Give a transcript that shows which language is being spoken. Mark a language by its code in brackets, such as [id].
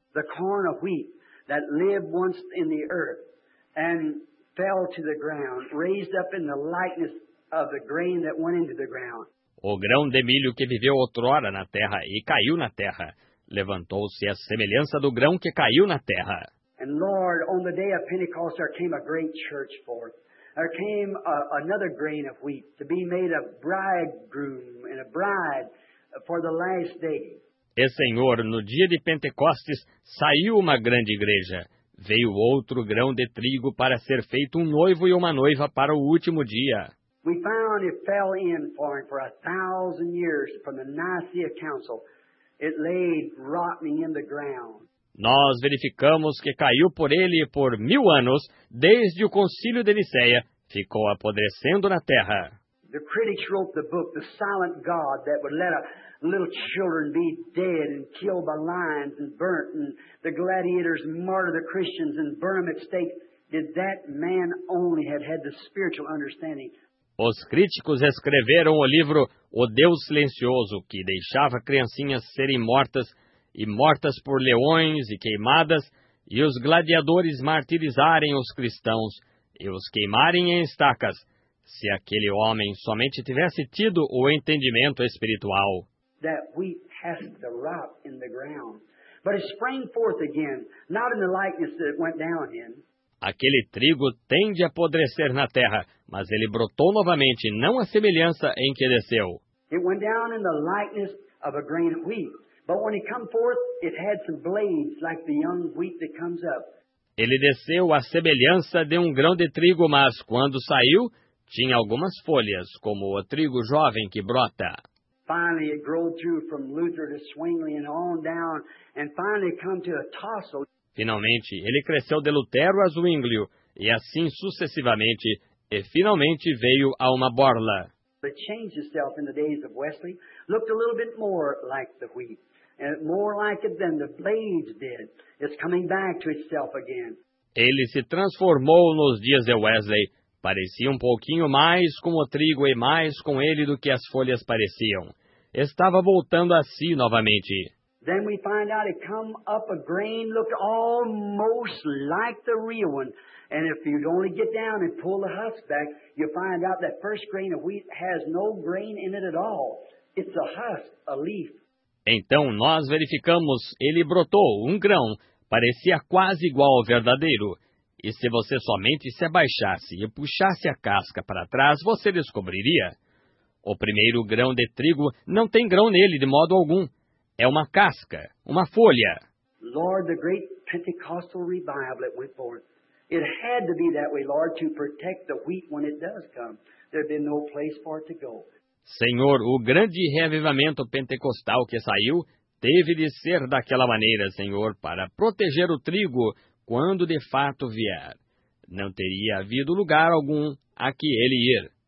[en] The corn of wheat that lived once in the earth and fell to the ground, raised up in the likeness of the grain that went into the ground. [pt] O grão de milho que viveu outrora na terra e caiu na terra, levantou-se à semelhança do grão que caiu na terra. [en] And Lord, on the day of Pentecost there came a great church forth. There came another grain of wheat to be made a bridegroom and a bride for the last day. [pt] E Senhor, no dia de Pentecostes saiu uma grande igreja. Veio outro grão de trigo para ser feito um noivo e uma noiva para o último dia. [en] We found it fell in for 1,000 years from the Nicaea Council. It laid rotting in the ground. [pt] Nós verificamos que caiu por ele por 1,000 anos, desde o concílio de Nicéia, ficou apodrecendo na terra. [en] The critics wrote the book, The Silent God, that would let a little children be dead and killed by lions and burnt, and the gladiators martyr the Christians and burn them at stake. Did that man only have had the spiritual understanding? [pt] Os críticos escreveram o livro O Deus Silencioso, que deixava criancinhas serem mortas e mortas por leões e queimadas, e os gladiadores martirizarem os cristãos e os queimarem em estacas, se aquele homem somente tivesse tido o entendimento espiritual. [en] That wheat has to rot in the ground, but it sprang forth again, not in the likeness that it went down in. [pt] Aquele trigo tende a apodrecer na terra, mas ele brotou novamente, não a semelhança em que desceu. [en] It went down in the likeness of a grain of wheat. But when it came forth, it had some blades like the young wheat that comes up. [pt] Ele desceu à semelhança de um grão de trigo, mas quando saiu, tinha algumas folhas, como o trigo jovem que brota. [en] Finally, it grew through from Luther to Swingley and on down, and finally come to a tassel. [pt] Finalmente, ele cresceu de Lutero a Zwinglio, e assim sucessivamente, e finalmente veio a uma borla. [en] But changed itself in the days of Wesley, looked a little bit more like the wheat, and more like it than the blades did. It's coming back to itself again. [pt] Ele se transformou nos dias de Wesley, parecia um pouquinho mais com o trigo e mais com ele do que as folhas pareciam. Estava voltando a si novamente. [en] Then we find out it come up a grain, looked almost like the real one. And if you'd only get down and pull the husk back, you'll find out that first grain of wheat has no grain in it at all. It's a husk, a leaf. [pt] Então nós verificamos, ele brotou um grão, parecia quase igual ao verdadeiro. E se você somente se abaixasse e puxasse a casca para trás, você descobriria. O primeiro grão de trigo não tem grão nele de modo algum. É uma casca, uma folha. [en] Lord, the great Pentecostal revival that went forth. It had to be that way, Lord, to protect the wheat when it does come. There'd be no place for it to go. [pt] Senhor, o grande reavivamento pentecostal que saiu teve de ser daquela maneira, Senhor, para proteger o trigo quando de fato vier. Não teria havido lugar algum a que ele ir.